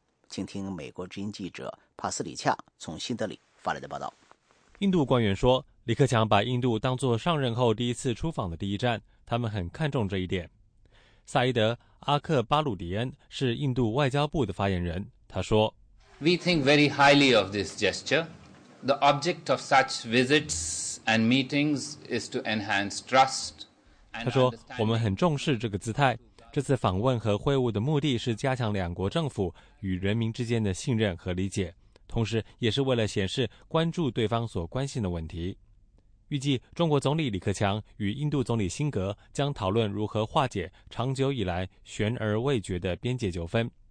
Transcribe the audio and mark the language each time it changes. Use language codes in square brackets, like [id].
[zh] 请听美国之音记者帕斯里恰从新德里发来的报道。印度官员说，李克强把印度当作上任后第一次出访的第一站，他们很看重这一点。萨伊德·阿克巴鲁迪恩是印度外交部的发言人，他说 [en] We think very highly of this gesture. The object of such visits and meetings is to enhance trust. [zh] 他说我们很重视这个姿态，这次访问和会晤的目的是加强两国政府与人民之间的信任和理解，同时也是为了显示关注对方所关心的问题。预计中国总理李克强与印度总理辛格将讨论如何化解长久以来悬而未决的边界纠纷。